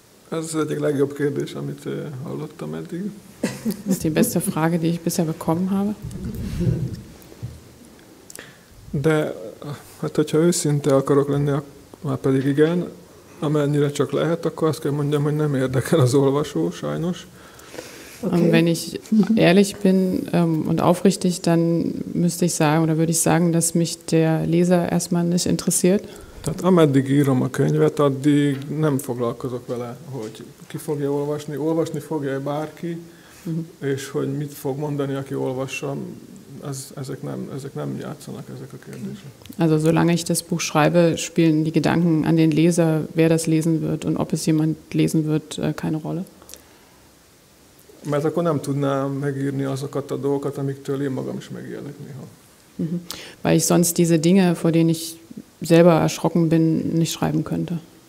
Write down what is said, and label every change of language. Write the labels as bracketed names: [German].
[German] Also seid ihr gleich abgeredet mit Allottamäntig? Das ist die beste Frage, die ich bisher bekommen habe. [Hungarian] De hát hogyha őszinte akarok lenni, már pedig igen, amennyire csak lehet, akkor azt kell mondjam, hogy nem érdekel az olvasó, sajnos. Okay. [German] Wenn ich ehrlich bin und aufrichtig, dann müsste ich sagen oder würde ich sagen, dass mich der Leser erstmal nicht interessiert. [Hungarian] Tehát ameddig írom a könyvet, addig nem foglalkozok vele, hogy ki fogja olvasni, olvasni fogja bárki, és hogy mit fog mondani, aki olvassa, ezek nem játszanak ezek a kérdések. [German] Also solange ich das Buch schreibe, spielen die Gedanken an den Leser, wer das lesen wird und ob es jemand lesen wird, keine Rolle. [Hungarian] Mert akkor nem tudnám megírni azokat a dolgokat, amiktől én magam is megijedek néha. [German] Weil ich sonst diese Dinge, vor denen ich selber erschrocken bin, nicht schreiben könnte.